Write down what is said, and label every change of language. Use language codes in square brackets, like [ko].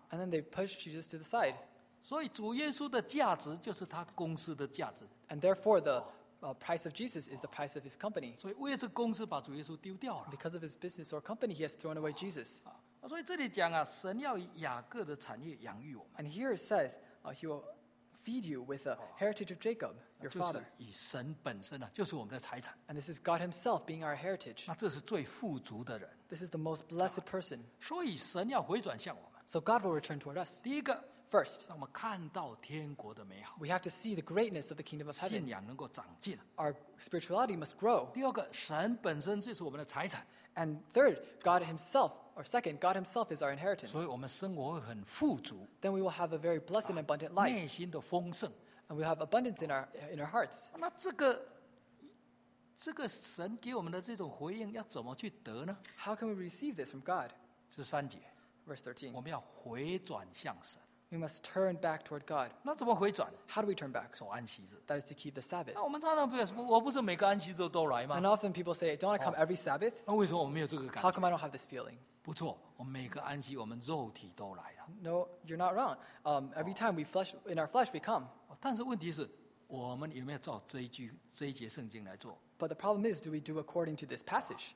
[en] and then they push Jesus to the side. [zh] 所以主耶稣的价值就是他公司的价值, [en] and therefore, the price of Jesus is the price of his company. [zh] 所以为这公司把主耶稣丢掉了, [en] because of his business or company, he has thrown away Jesus. [zh] 所以这里讲啊, 神要以雅各的产业养育我们, [en] and here it says, he will feed you with the heritage of Jacob, your father. [zh] 就是以神本身啊, 就是我们的财产, [en] and this is God himself being our heritage. [zh] 那这是最富足的人, [en] this is the most blessed person. [zh] 所以神要回转向我们, [en] so God will return toward us. [zh] 第一个, [en] first, [zh] 让我们看到天国的美好, [en] we have to see the greatness of the kingdom of heaven. [zh] 信仰能够长进, [en] our spirituality must grow. [zh] 第二个, 神本身就是我们的财产, [en] and third, God himself, or second, God himself is our inheritance. [zh] 所以我们生活很富足, [en] then we will have a very blessed and abundant life. [zh] 内心的丰盛, [en] and we have abundance in our hearts. [zh] 那这个神给我们的这种回应要怎么去得呢? [en] How can we receive this from God? [zh] 是三节, [en] verse 13. [zh] 我们要回转向神, [en] we must turn back toward God. [zh] 那怎么回转? [en] How do we turn back? [zh] 守安息日, [en] that is to keep the Sabbath. [zh] 那我们常常不是每个安息日都来吗? [en] And often people say, don't I come every Sabbath? [zh] 那为什么我没有这个感觉? [en] How come I don't have this feeling? [zh] 不错, 我们每个安息我们肉体都来了。 [en] No, you're not wrong. Every time we flesh, in our flesh we come. [zh] 但是问题是, 我们有没有照这一句,这一节圣经来做? [en] But the problem is, do we do according to this passage?